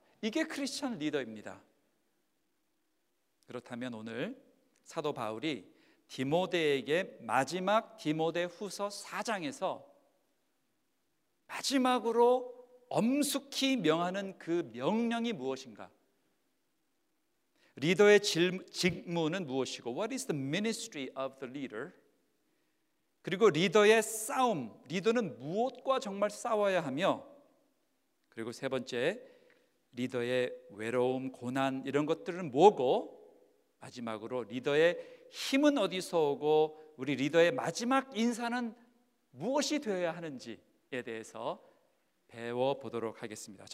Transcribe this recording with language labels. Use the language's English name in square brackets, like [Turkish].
[Korean] 이게 크리스찬 리더입니다. 그렇다면 오늘 사도 바울이 디모데에게 마지막 디모데 후서 4장에서 마지막으로 엄숙히 명하는 그 명령이 무엇인가? 리더의 직무는 무엇이고, [English] What is the ministry of the leader? [Korean] 그리고 리더의 싸움, 리더는 무엇과 정말 싸워야 하며, 그리고 세 번째, 리더의 외로움, 고난 이런 것들은 뭐고, 마지막으로 리더의 힘은 어디서 오고, 우리 리더의 마지막 인사는 무엇이 되어야 하는지에 대해서 배워보도록 하겠습니다.